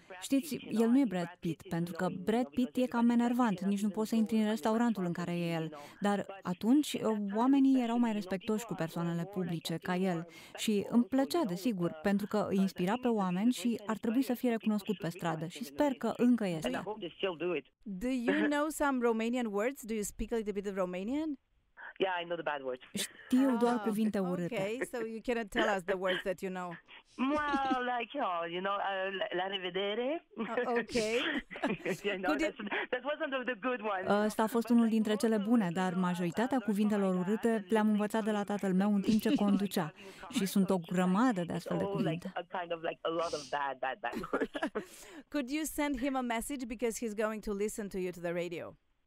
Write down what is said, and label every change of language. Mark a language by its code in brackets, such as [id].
[ro] Știți, el nu e Brad Pitt, pentru că Brad Pitt e cam enervant, nici nu poți să intri în restaurantul în care e el. Dar atunci oamenii erau mai respectoși cu persoanele publice ca el și îmi plăcea, desigur, pentru că îi inspira pe oameni și ar trebui să fie recunoscut pe stradă și sper că încă este. [en] Do you know some Romanian words? Do you speak a little bit of Romanian? Yeah, I know the bad words. [ro] Știu doar cuvinte urâte. [en] Okay, so you cannot tell us the words that you know. Well, like, you know, [ro] la revedere. [en] Okay. You know, that wasn't the good one. [ro] Asta a fost unul dintre cele bune, dar majoritatea cuvintelor urâte le-am învățat de la tatăl meu în timp ce conducea. Și sunt o grămadă de astfel de cuvinte. [en] Like, kind of like a lot of bad words. Could you send him a message because he's going to listen to you to the radio?